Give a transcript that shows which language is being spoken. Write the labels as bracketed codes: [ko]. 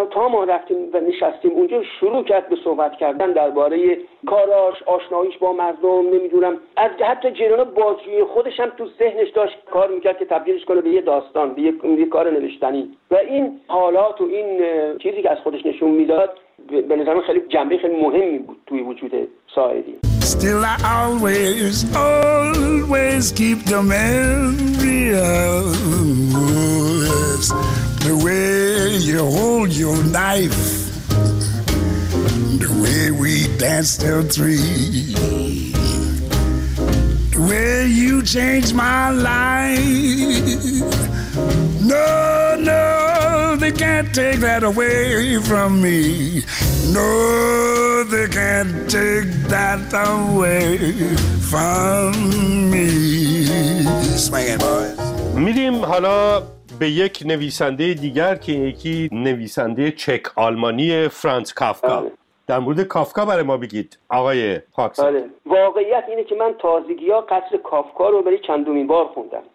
[fa] تا ما رفتیم و نشستیم اونجا، شروع کرد به صحبت کردن درباره کاراش، آشناییش با مردم، نمیدونم از حتی جریان بازجویی خودش هم تو ذهنش داشت کار میکرد که تبدیلش کنه به یه داستان، به یه کار نوشتنی. و این حالات و این چیزی که از خودش نشون میداد به نظرم خیلی جنبه خیلی مهمی بود توی وجود سعیدی. [en] Still I always, always keep the memory of yes, the way you hold your knife, the way we danced till three, the way you changed my life. No, no, they can't take that away from me. No, they can't take that away from me. Swing it, boys. [fa] میریم حالا به یک نویسنده دیگر که یکی نویسنده چک آلمانی، فرانس کافکا. بله. در مورد کافکا برای ما بگید آقای پاکس. بله. واقعیت اینه که من تازگی ها قصر کافکا رو برای چندمین بار خوندم.